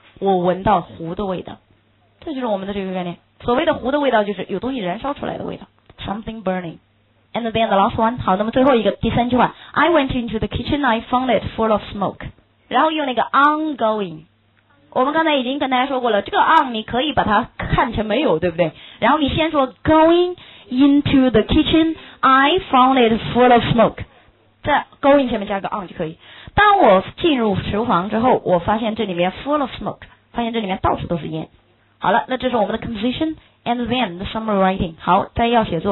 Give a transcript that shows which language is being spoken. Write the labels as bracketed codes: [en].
[zh] 我闻到糊的味道，这就是我们的这个概念。所谓的糊的味道就是有东西燃烧出来的味道， [en] something burning。 And then the last one， [zh] 好，那么最后一个第三句话， [en] I went into the kitchen I found it full of smoke， [zh] 然后用那个 ongoing， 我们刚才已经跟大家说过了，这个 on 你可以把它看成没有，对不对？然后你先说 [en] going into the kitchen I found it full of smoke， [zh] 在 going 前面加个 on 就可以。当我进入厨房之后，我发现这里面 [en] full of smoke， [zh] 发现这里面到处都是烟。好了，那这是我们的 [en] composition and then the summary writing。 [zh] 好，再要写作。